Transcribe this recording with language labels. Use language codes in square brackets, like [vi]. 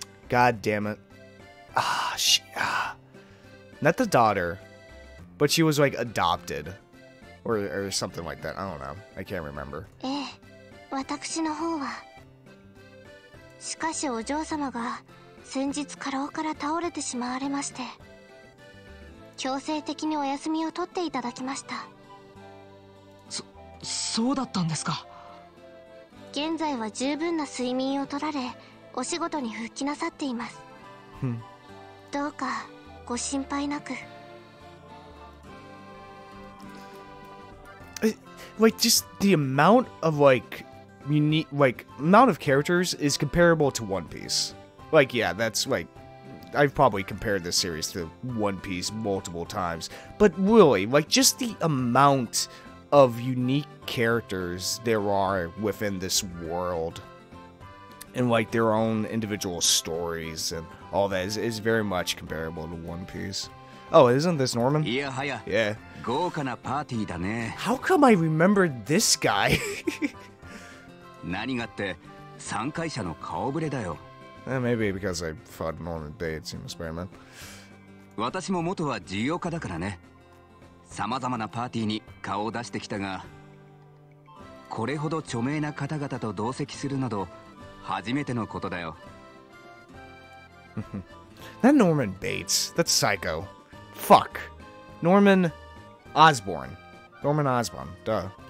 [en] God damn it. Not the daughter, but she was like adopted or something like that. I don't know. I can't remember. [ja] Eh, 私の方は。しかしお嬢様が先日過労から倒れてしまわれまして。強制的にお休みを取っていただきました。そうだったんですか。現在は十分な睡眠を取られ、お仕事に復帰なさっています。どうかご心配なく。 [en] Like just the amount of like unique like amount of characters is comparable to One Piece. Like yeah, that's like. I've probably compared this series to One Piece multiple times, but really, like, just the amount of unique characters there are within this world and, like, their own individual stories and all that is very much comparable to One Piece. Oh, isn't this Norman? Yeah, hiya. Yeah. [ja] 豪華なパーティーだね。 [en] How come I remember this guy? [ja] 何がって、参加者の顔ぶれだよ。 [en] Maybe because I fought Norman Bates in experiment. [ja] 私も元は事業家だからね。さまざまなパーティーに顔を出してきたが、これほど著名な方々と同席するなど初めてのことだよ。 [en] That Norman Bates, that's psycho. Fuck. Norman Osborn. Norman Osborn. Duh.